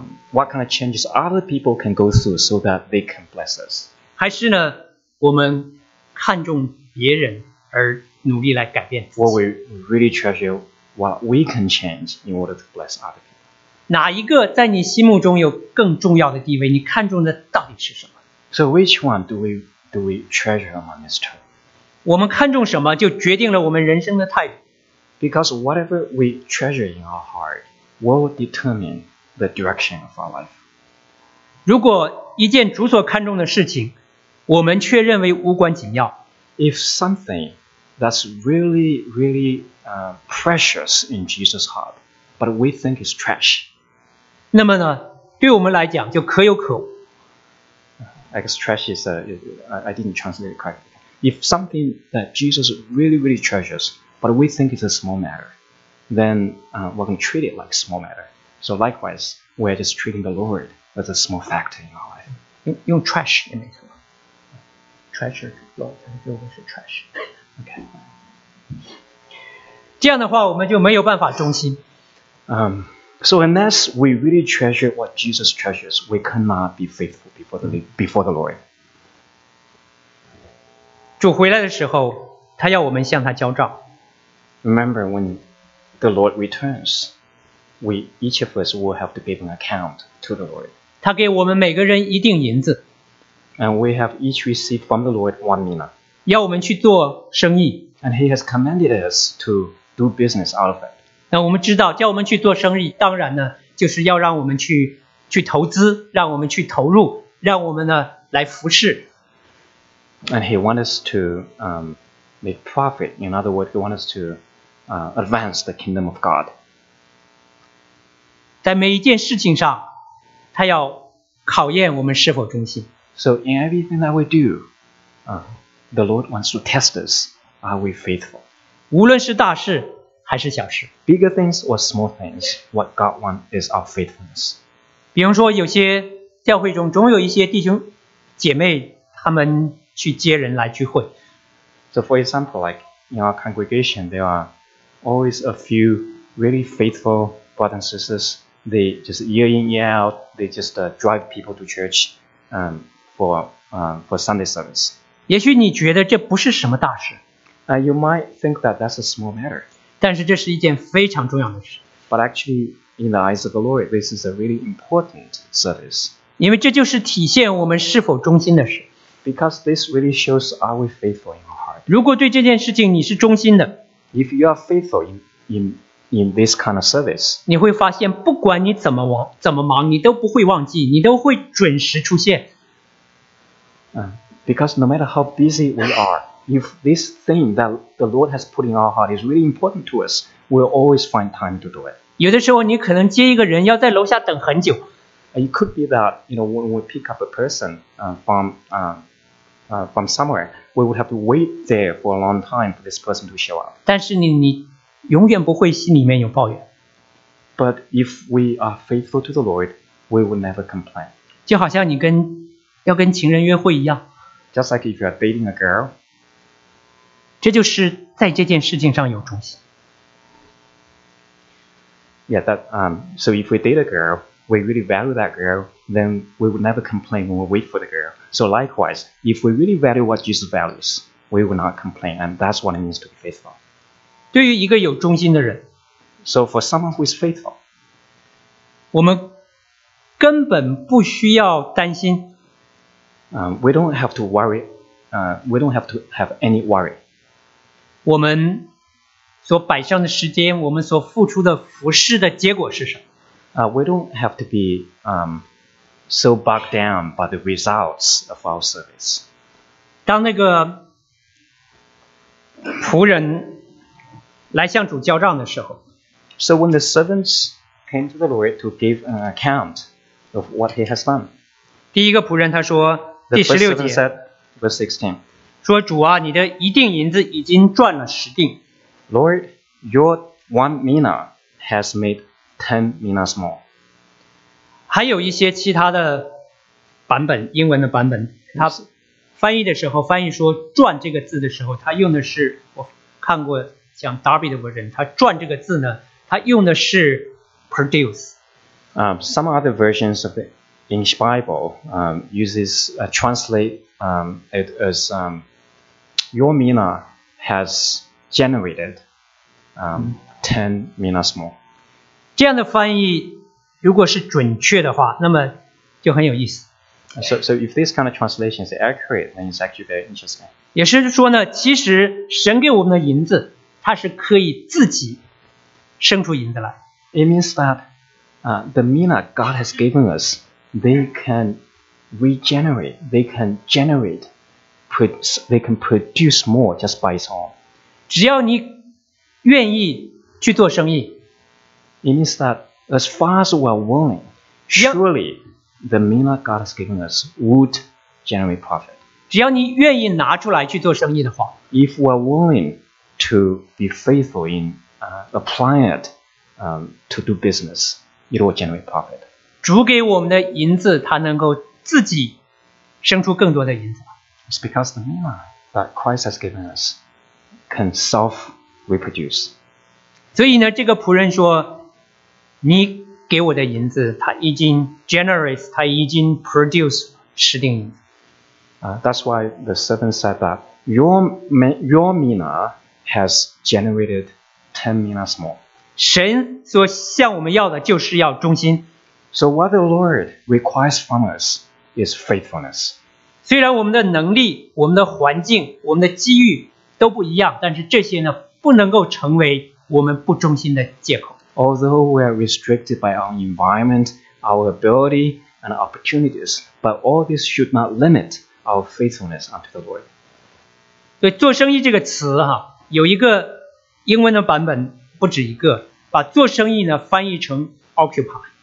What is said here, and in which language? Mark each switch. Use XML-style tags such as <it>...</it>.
<en>What kind of changes other people can go through so that they can bless us?</en> <zh>还是呢，我们看重别人而努力来改变自己。</zh> <en>What we really treasure, what we can change in order to bless other people.</en> <zh>哪一个在你心目中有更重要的地位？你看重的到底是什么？</zh> <en>So which one do we treasure among this two?</en> <zh>我们看重什么，就决定了我们人生的态度。</zh> <en>Because whatever we treasure in our heart. Will determine the direction of our life.</en> <zh>如果一件主所看重的事情，我们却认为无关紧要。</zh> <en>If something that's really, really precious in Jesus' heart, but we think is trash.</en> <zh>那么呢，对我们来讲就可有可无。</zh> <en>I guess trash is I didn't translate it correctly. If something that Jesus really, really treasures, but we think is a small matter. Then we're going to treat it like a small matter. So likewise, we're just treating the Lord as a small factor in our life.</en> <zh>用 trash 也没错。</zh> <en>Treasure Lord</en> <zh>用的是 trash.</zh> <en>Okay.</en> <zh>这样的话，我们就没有办法忠心。</zh> <en>So unless we really treasure what Jesus treasures, we cannot be faithful before the Lord.</en> <zh>主回来的时候，他要我们向他交账。</zh> <en>Remember when. The Lord returns. We each of us will have to give an account to the Lord.</en> <zh>他给我们每个人一锭银子。</zh> <en>And we have each received from the Lord 1 mina.</en> <zh>要我们去做生意。</zh> <en>And He has commanded us to do business out of it. 那我们知道，叫我们去做生意，当然呢，就是要让我们去投资，让我们去投入，让我们呢来服侍。 And He wants us to make profit. In other words, He wants us to. Advance the kingdom of God.</en> <zh>在每一件事情上，他要考验我们是否忠心。</zh> <en>So in everything that we do, the Lord wants to test us. Are we faithful?</en> <zh>无论是大事还是小事。</zh> <en>Bigger things or small things, what God wants is our faithfulness.</en> <zh>比如说，有些教会中总有一些弟兄姐妹，他们去接人来聚会。</zh> <en>So for example, like in our congregation, there are always a few really faithful brothers and sisters. They just year in, year out, they just drive people to church for Sunday service.</en> <zh>也许你觉得这不是什么大事。</zh> <en>You might think that that's a small matter.</en> <zh>但是这是一件非常重要的事。</zh> <en>But actually, in the eyes of the Lord, this is a really important service.</en> <zh>因为这就是体现我们是否忠心的事。</zh> <en>Because this really shows, are we faithful in our heart?</en> <zh>如果对这件事情你是忠心的。</zh> <en>If you are faithful in this kind of service,</en> <zh>你会发现不管你怎么忙你都不会忘记，你都会准时出现。</zh> <en>Because no matter how busy we are, if this thing that the Lord has put in our heart is really important to us, we'll always find time to do it.</en> <zh>有的时候你可能接一个人要在楼下等很久。</zh> <en>It could be that, you know, when we pick up a person from somewhere, we would have to wait there for a long time for this person to show up.</en> <zh>但是你永远不会心里面有抱怨。</zh> <en>But if we are faithful to the Lord, we will never complain.</en> <zh>就好像你要跟情人约会一样。</zh> <en>Just like if you are dating a girl.</en> <zh>这就是在这件事情上有忠心。</zh> <en>Yeah, that, so if we date a girl, we really value that girl, then we would never complain when we wait for the girl. So likewise, if we really value what Jesus values, we would not complain, and that's what it means to be faithful.</en> <zh>对于一个有忠心的人。</zh> <en>So for someone who is faithful.</en> <zh>我们根本不需要担心。</zh> <en>We don't have to worry, we don't have to have any worry.</en> <zh>我们所摆上的时间，我们所付出的服事的结果是什么？</zh> <en>We don't have to be so bogged down by the results of our service.</en> <zh>当那个仆人来向主交账的时候，</zh> <en>So when the servants came to the Lord to give an account of what he has done.</en> <zh>第一个仆人他说第十六节</zh> <en>said, verse 16,</en> <zh>说主啊，你的一锭银子已经赚了十锭。</zh> <en>Lord, your one mina has made 10 minas more.</en> <zh>还有一些其他的版本，英文的版本，他翻译的时候，翻译说赚这个字的时候，他用的是，我看过像 Darby 的文人，他赚这个字呢，他用的是 produce.</zh> <en>Some other versions of it. English Bible uses translate it as your mina has generated 10 minas more.</en> <zh>这样的翻译如果是准确的话，那么就很有意思。</zh> <en>So if this kind of translation is accurate, then it's actually very interesting.</en> <zh>也是说呢，其实神给我们的银子，它是可以自己生出银子来。</zh> <en>It means that the mina God has given us. They can regenerate, they can generate, they can produce more just by its own.</en> <zh>只要你愿意去做生意。</zh> <en>It means that as far as we are willing, surely the mina God has given us would generate profit.</en> <zh>只要你愿意拿出来去做生意的话。</zh> <en>If we are willing to be faithful in applying it to do business, it will generate profit.</en> <zh>主给我们的银子，它能够自己生出更多的银子。</zh> <en>It's because the mina that Christ has given us can self-reproduce.</en> <zh>所以呢，这个仆人说，你给我的银子，它已经 generates, 它已经 produce 十锭银子。</zh> <en>That's why the servant said that your mina has generated 10 minas more.</en> <zh>神所向我们要的就是要忠心。</zh> <en>So what the Lord requires from us is faithfulness.</en> <zh>虽然我们的能力、我们的环境、我们的机遇都不一样，但是这些呢，不能够成为我们不忠心的借口。</zh> <en>Although we are restricted by our environment, our ability and opportunities, but all this should not limit our faithfulness unto the Lord.</en> <zh>对，做生意这个词哈，有一个英文的版本，不止一个，把做生意呢翻译成 occupy。</zh>